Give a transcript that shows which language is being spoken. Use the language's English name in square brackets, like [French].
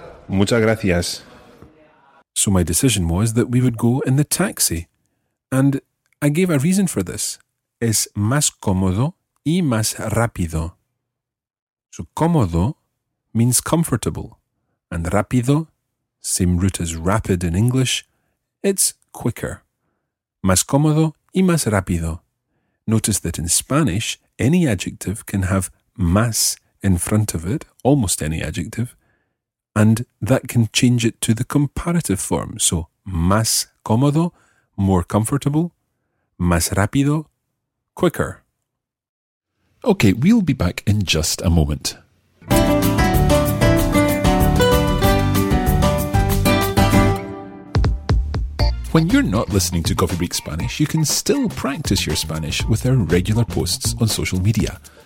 [Spanish] Muchas gracias. [English] So my decision was that we would go in the taxi. And I gave a reason for this. [Spanish] Es más cómodo y más rápido. [English] So cómodo means comfortable. And rápido, same root as rapid in English, it's quicker. [Spanish] Más cómodo y más rápido. [English] Notice that in Spanish, any adjective can have más in front of it, almost any adjective, and that can change it to the comparative form. So, [Spanish] más cómodo, [English] more comfortable, [Spanish] más rápido, [English] quicker. Okay, we'll be back in just a moment. When you're not listening to Coffee Break Spanish, you can still practice your Spanish with our regular posts on social media.